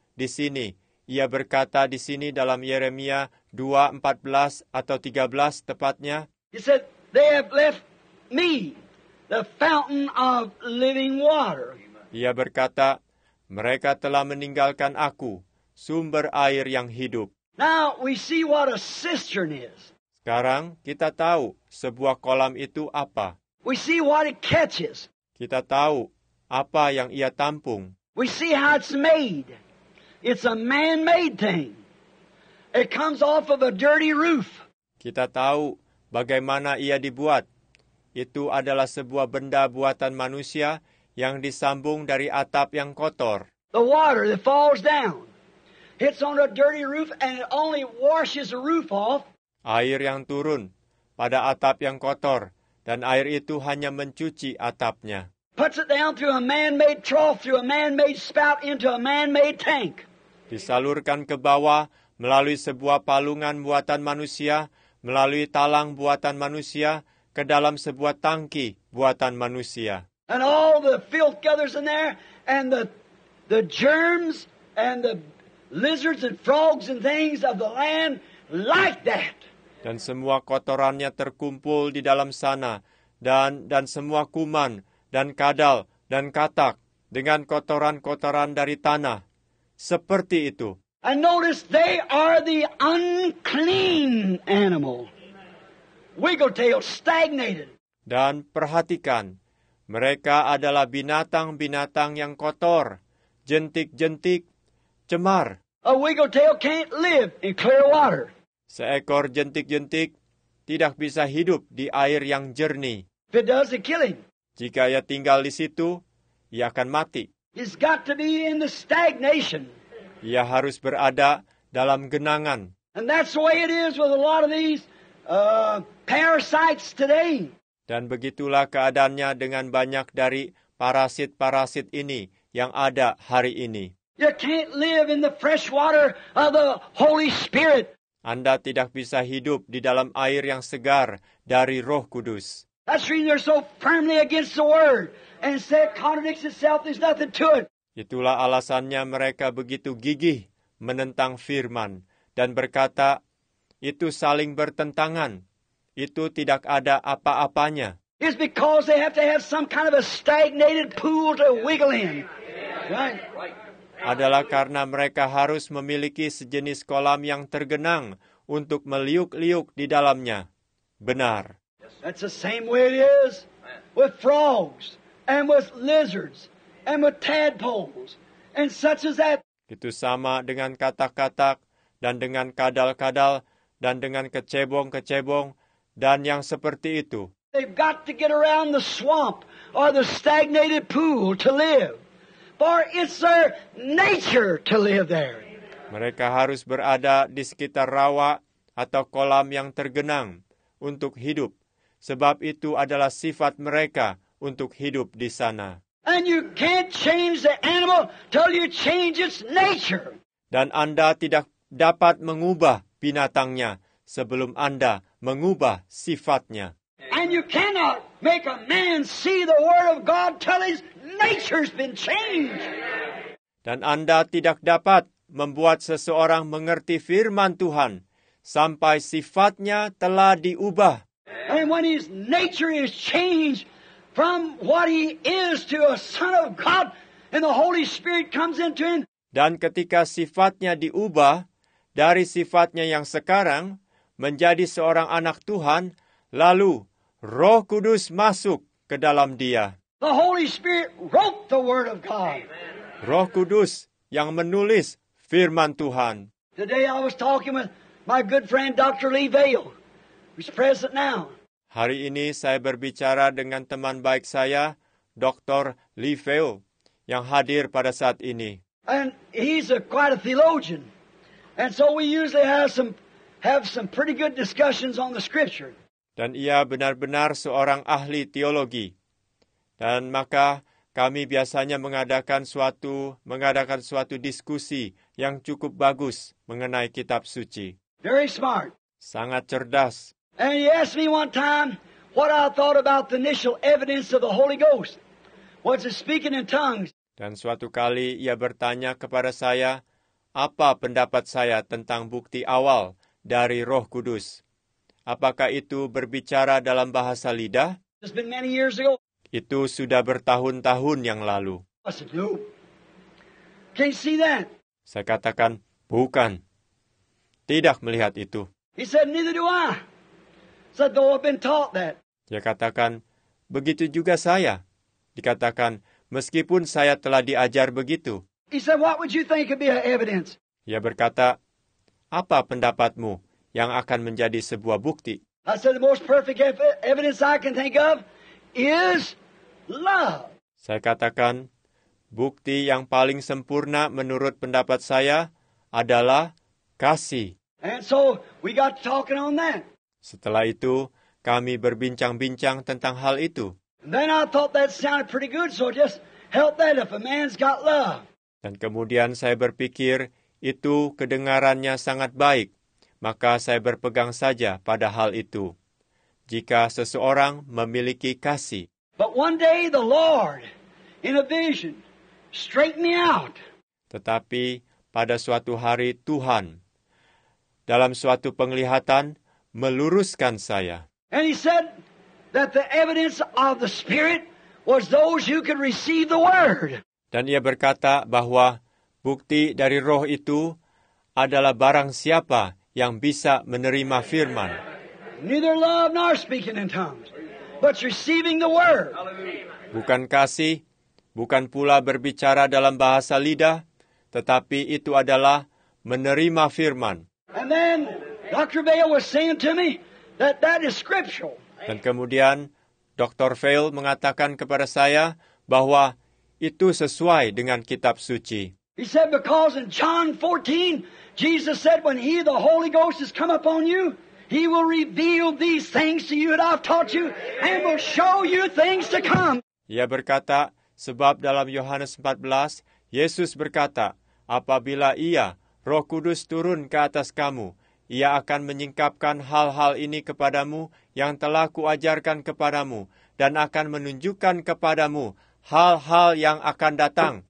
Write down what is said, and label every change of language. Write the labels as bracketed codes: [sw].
[id] Di sini, ia berkata di sini dalam Yeremia 2, 14 atau 13 tepatnya. [en] He said, they have left me, the fountain of living water. [id] Ia berkata, mereka telah meninggalkan aku, sumber air yang hidup. [en] Now we see what a cistern is. [id] Sekarang kita tahu sebuah kolam itu apa. [en] We see what it catches. [id] Kita tahu apa yang ia tampung. [en] We see how it's made. It's a man-made thing. It comes off of a dirty roof. [id] Kita tahu bagaimana ia dibuat. Itu adalah sebuah benda buatan manusia yang disambung dari atap yang kotor. [en] The water that falls down hits on a dirty roof and it only washes the roof off. [id] Air yang turun pada atap yang kotor dan air itu hanya mencuci atapnya. [en] Puts it down through a man-made trough, through a man-made spout into a man-made tank. [id] Disalurkan ke bawah melalui sebuah palungan buatan manusia, melalui talang buatan manusia, ke dalam sebuah tangki buatan manusia. [en] And all the filth gathers in there, and the germs and the lizards and frogs and things of the land like that. [id] Dan semua kotorannya terkumpul di dalam sana, dan semua kuman dan kadal dan katak dengan kotoran-kotoran dari tanah seperti itu. [en] And notice they are the unclean animal. Wiggletail stagnated. [id] Dan perhatikan, mereka adalah binatang-binatang yang kotor, jentik-jentik, cemar. [en] A wiggletail can't live in clear water. [id] Seekor jentik-jentik tidak bisa hidup di air yang jernih. [en] If it does, it kill him. [id] Jika ia tinggal di situ, ia akan mati. [en] He's got to be in the stagnation. [id] Ia harus berada dalam genangan. [en] And that's the way it is with a lot of these parasites today. [id] Dan begitulah keadaannya dengan banyak dari parasit-parasit ini yang ada hari ini. [en] You can't live in the fresh water of the Holy Spirit. [id] Anda tidak bisa hidup di dalam air yang segar dari Roh Kudus. [en] That's why they're so firmly against the word and said contradicts itself. There's nothing to it. [id] Itulah alasannya mereka begitu gigih menentang firman dan berkata itu saling bertentangan. Itu tidak ada apa-apanya. [en] It's because they have to have some kind of a stagnated pool to wiggle in. Right? [id] Adalah karena mereka harus memiliki sejenis kolam yang tergenang untuk meliuk-liuk di dalamnya. Benar. [en] That's the same way it is with frogs and with lizards and with tadpoles and such as that. [id] Itu sama dengan katak-katak dan dengan kadal-kadal dan dengan kecebong-kecebong dan yang seperti itu. [en] They've got to get around the swamp or the stagnated pool to live. For it's their nature to live there. [id] Mereka harus berada di sekitar rawa atau kolam yang tergenang untuk hidup. Sebab itu adalah sifat mereka untuk hidup di sana. [en] And you can't change the animal till you change its nature. [id] Dan Anda tidak dapat mengubah binatangnya sebelum Anda mengubah sifatnya. [en] And you cannot make a man see the word of God till his nature's been changed. [id] Dan Anda tidak dapat membuat seseorang mengerti firman Tuhan sampai sifatnya telah diubah. [en] And when his nature is changed from what he is to a son of God and the Holy Spirit comes into him. [id] Dan ketika sifatnya diubah dari sifatnya yang sekarang menjadi seorang anak Tuhan, lalu Roh Kudus masuk ke dalam dia. [en] The Holy Spirit wrote the word of God. [id] Roh Kudus yang menulis firman Tuhan. [en] Today I was talking with my good friend Dr. Lee Vail. He's present now. [id] Hari ini saya berbicara dengan teman baik saya, Dr. Lee Vail, yang hadir pada saat ini. [en] And he's quite a theologian. And so we usually have some pretty good discussions on the scripture. [id] Dan ia benar-benar seorang ahli teologi. Dan maka kami biasanya mengadakan suatu diskusi yang cukup bagus mengenai kitab suci. [en] Very smart. [id] Sangat cerdas. [en] And he asked me one time what I thought about the initial evidence of the Holy Ghost. Was it speaking in tongues? [id] Dan suatu kali ia bertanya kepada saya, apa pendapat saya tentang bukti awal dari Roh Kudus? Apakah itu berbicara dalam bahasa lidah? [en] It's been many years ago. [id] Itu sudah bertahun-tahun yang lalu. [en] I said, no. Can't see that. [id] Saya katakan, bukan. Tidak melihat itu. [en] He said, neither do I. So though I've been taught that. [id] Dia katakan, begitu juga saya. Dikatakan, meskipun saya telah diajar begitu. [en] He said, what would you think could be an evidence? [id] Dia berkata, apa pendapatmu yang akan menjadi sebuah bukti? [en] I said, the most perfect evidence I can think of is love. [id] Saya katakan, bukti yang paling sempurna menurut pendapat saya adalah kasih. [en] And so we got talking on that. [id] Setelah itu, kami berbincang-bincang tentang hal itu. [en] Then I thought that sounded pretty good, so just help that if a man's got love. [id] Dan kemudian saya berpikir, itu kedengarannya sangat baik, maka saya berpegang saja pada hal itu. Jika seseorang memiliki kasih. [en] But one day the Lord, in a vision, straightened me out. [id] Tetapi pada suatu hari Tuhan, dalam suatu penglihatan, meluruskan saya. [en] And he said that the evidence of the Spirit was those who could receive the word. [id] Dan ia berkata bahwa bukti dari roh itu adalah barang siapa yang bisa menerima firman. [en] Neither love nor speaking in tongues, but receiving the word. [id] Bukan kasih, bukan pula berbicara dalam bahasa lidah, tetapi itu adalah menerima firman. [en] And then Dr. Vail was saying to me that that is scriptural. [id] Dan kemudian Dr. Vail mengatakan kepada saya bahwa itu sesuai dengan kitab suci. [en] He said because in John 14, Jesus said when he, the Holy Ghost, has come upon you, he will reveal these things to you that I've taught you and will show you things to come. [id] Ia berkata, sebab dalam Yohanes 14, Yesus berkata, apabila ia, Roh Kudus turun ke atas kamu, ia akan menyingkapkan hal-hal ini kepadamu yang telah kuajarkan kepadamu dan akan menunjukkan kepadamu hal-hal yang akan datang.